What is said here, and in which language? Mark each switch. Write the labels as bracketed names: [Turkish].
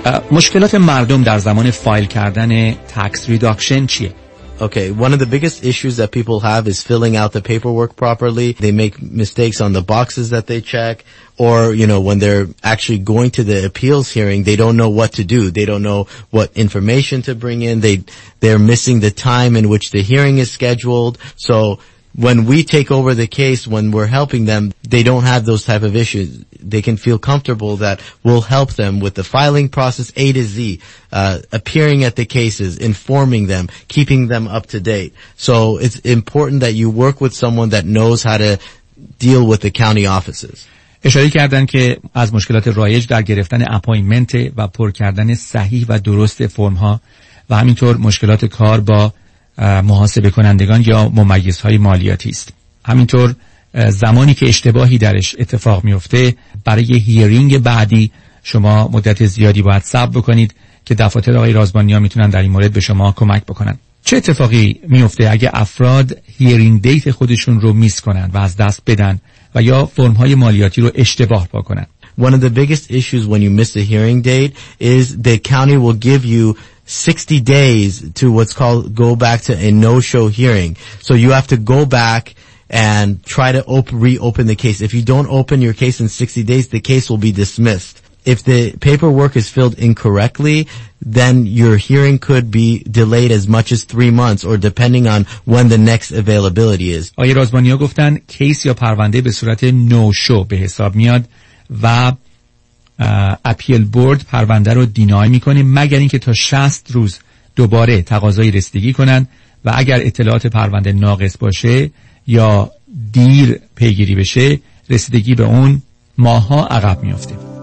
[Persian] مشکلات مردم در زمان فایل کردن تکس ریداکشن چیه؟ [English] Okay, one of the biggest issues that people have is filling out the paperwork properly. They make mistakes on the boxes that they check, or, you know, when they're actually going to the appeals hearing, they don't know what to do. They don't know what information to bring in. They're missing the time in which the hearing is scheduled. So when we take over the case, when we're helping them, they don't have those type of issues. They can feel comfortable that we'll help them with the filing process A to Z, appearing at the cases, informing them, keeping them up to date. So it's important that you work with someone that knows how to deal with the county offices. [Persian] اشاره کردن که از مشکلات رایج در گرفتن اپایمنت و پر کردن صحیح و درست فرم ها و همینطور مشکلات کار با محاسبه کنندگان یا ممیز های مالیاتی است. همینطور زمانی که اشتباهی درش اتفاق میفته، برای هیرینگ بعدی شما مدت زیادی باید صبر بکنید که دفاتر آقای رازبانی ها میتونن در این مورد به شما کمک بکنن. چه اتفاقی میفته اگه افراد هیرینگ دیت خودشون رو میس کنن و از دست بدن و یا فرم های مالیاتی رو اشتباه پر کنن؟ [English] One of the biggest issues when you miss a hearing date is the county will give you 60 days to what's called go back to a no-show hearing. So you have to go back and try to reopen the case. If you don't open your case in 60 days, the case will be dismissed. If the paperwork is filled incorrectly, then your hearing could be delayed as much as 3 months or depending on when the next availability is. [Persian] آقای رازبانی ها گفتن کیس یا پرونده به صورت نو شو به حساب میاد و اپیل بورد پرونده رو دینای میکنه مگر اینکه تا 60 روز دوباره تقاضای رسیدگی کنن و اگر اطلاعات پرونده ناقص باشه یا دیر پیگیری بشه رسیدگی به اون ماها عقب میفته.